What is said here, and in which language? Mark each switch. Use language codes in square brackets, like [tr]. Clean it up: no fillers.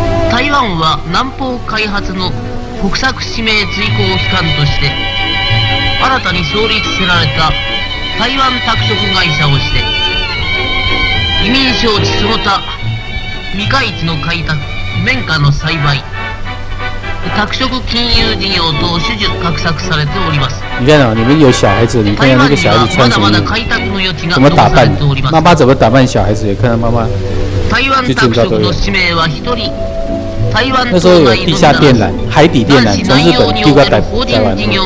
[ja] 台湾は南方開発の国策指名追考機関として新たに創立せられた台湾拓殖会社をして、移民承知その他未開地の開拓。綿花の栽培、拓殖金融事業等種々画策されております。 [zh] 你看啊，你们有小孩子，你看看那个小孩子穿什么衣服，怎么打扮？妈妈怎么打扮小孩子？也看到妈妈。 [ja] 台湾拓殖の使命は一人、 [zh] 那时候有地下电缆、海底电缆，从日本寄过来台湾。